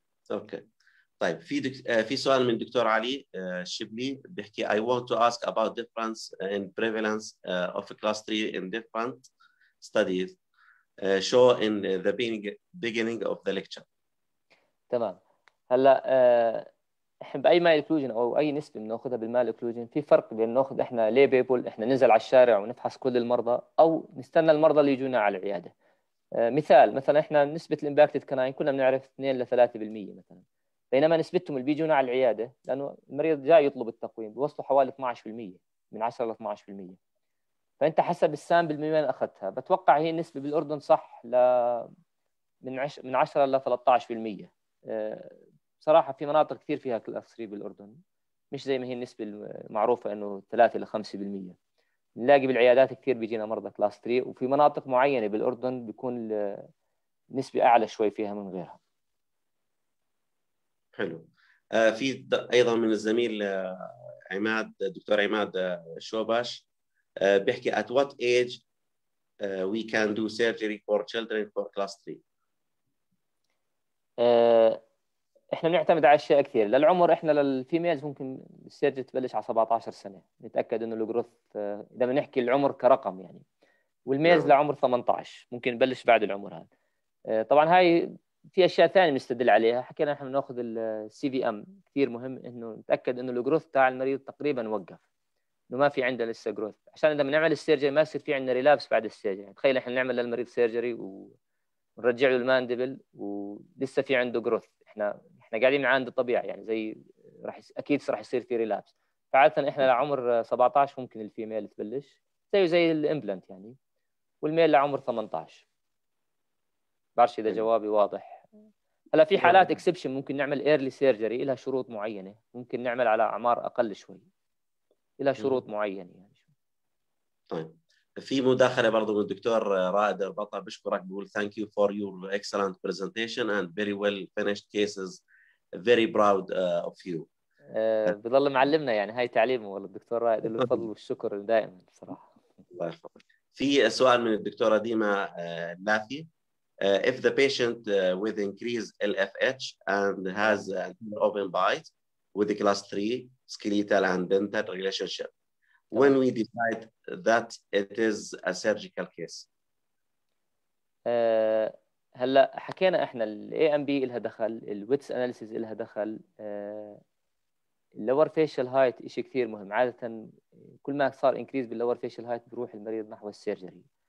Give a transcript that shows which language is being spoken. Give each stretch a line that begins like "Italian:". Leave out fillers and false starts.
Arabic: اوكي طيب، في سؤال من دكتور علي الشبلي بيحكي
English: I want to ask about difference in prevalence of class 3 in different studies show in the beginning of the lecture.
Arabic: تمام. هلا احنا باي مال اكلوجن او اي نسبه بناخذها بالمال اكلوجن، في فرق بين ناخذ احنا لي بيبل، احنا ننزل على الشارع ونفحص كل المرضى، او نستنى المرضى اللي يجونا على العياده. مثال مثلا احنا نسبه الامباكتد كناين كلنا بنعرف 2 ل 3% مثلا، بينما نسبتهم اللي بيجونا على العياده لانه المريض جاي يطلب التقويم بيوصلوا حوالي 12%، من 10 ل 12%. فانت حسب السامبل من وين اخذتها، بتوقع هي النسبه بالاردن صح ل من 10 ل 13%. بصراحه في مناطق كثير فيها كلاس 3 بالاردن، مش زي ما هي النسبه المعروفه انه 3 ل 5%. نلاقي بالعيادات كثير بيجينا مرضى كلاس 3، وفي مناطق معينه بالاردن بيكون النسبه اعلى شوي فيها من غيرها. حلو. في ايضا من الزميل عماد، دكتور عماد شوباش بيحكي
English: at what age we can do surgery for children for class 3.
Arabic: احنا بنعتمد على اشياء كثير. للعمر احنا للفيميلز ممكن السيرجري تبلش على 17 سنه، نتاكد انه الجروث اذا بنحكي العمر كرقم يعني، والميلز لعمر 18 ممكن نبلش بعد العمر هذا. طبعا هاي في اشياء ثانيه بنستدل عليها، حكينا احنا بناخذ السي في ام، كثير مهم انه نتاكد انه الجروث تاع المريض تقريبا وقف، انه ما في عنده لسه جروث، عشان اذا بنعمل السيرجري ما يصير في عندنا ريلابس بعد السيرجري. يعني تخيل احنا نعمل للمريض سيرجري و نرجع له الماندبل ولسه في عنده جروث، احنا قاعدين عند الطبيعي يعني، زي اكيد راح يصير في ريلابس. فعاده احنا لعمر 17 ممكن الفيميل تبلش زي الامبلانت يعني، والميل لعمر 18. بعرفش اذا جوابي واضح. هلا في حالات اكسبشن ممكن نعمل ايرلي سيرجري، لها شروط معينه، ممكن نعمل على اعمار اقل شوي، لها شروط معينه يعني. طيب في مداخلة برضو من الدكتور رائد البطة بشكرك، بقول
English: thank you for your excellent presentation and very well finished cases, very proud of you.
Arabic: بضل معلمنا يعني، هاي تعليمه والله الدكتور رائد، الفضل والشكر دائما بصراحة. في سؤال من الدكتورة ديما اللافي،
English: if the patient with increased LFH and has an open bite with the class 3 skeletal and dental relationship, when we decide that it is a surgical case.
Arabic: هلا حكينا احنا الاي ام بي لها دخل، الويتس اناليسيس لها دخل، اللور فيشل هايت شيء كثير مهم. عاده كل ما صار انكريز باللور فيشل هايت بروح المريض نحو السيرجري.